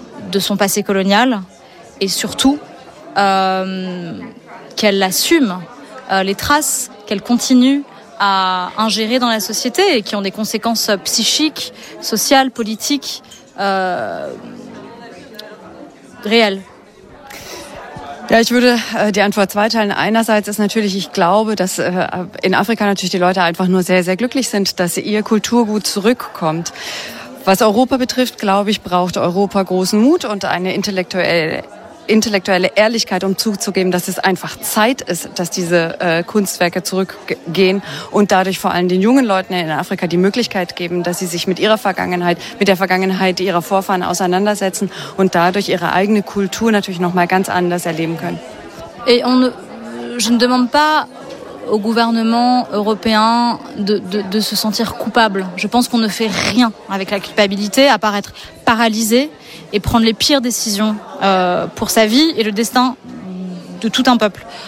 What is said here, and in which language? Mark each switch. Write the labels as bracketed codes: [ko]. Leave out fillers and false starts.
[fr] de son passé colonial, et surtout qu'elle assume les traces qu'elle continue à ingérer dans la société et qui ont des conséquences psychiques, sociales, politiques réelles. [de] Ja, ich würde die Antwort zweiteilen. Einerseits ist natürlich, ich glaube, dass in Afrika natürlich die Leute einfach nur sehr, sehr glücklich sind, dass ihr Kulturgut zurückkommt. Was Europa betrifft, glaube ich, braucht Europa großen Mut und eine intellektuelle Ehrlichkeit, um zuzugeben, dass es einfach Zeit ist, dass diese Kunstwerke zurückgehen und dadurch vor allem den jungen Leuten in Afrika die Möglichkeit geben, dass sie sich mit ihrer Vergangenheit, mit der Vergangenheit ihrer Vorfahren auseinandersetzen und dadurch ihre eigene Kultur natürlich noch mal ganz anders erleben können. [fr] Et on ne, je ne demande pas au gouvernement européen de se sentir coupable. Je pense qu'on ne fait rien avec la culpabilité à part être paralysé et prendre les pires décisions pour sa vie et le destin de tout un peuple.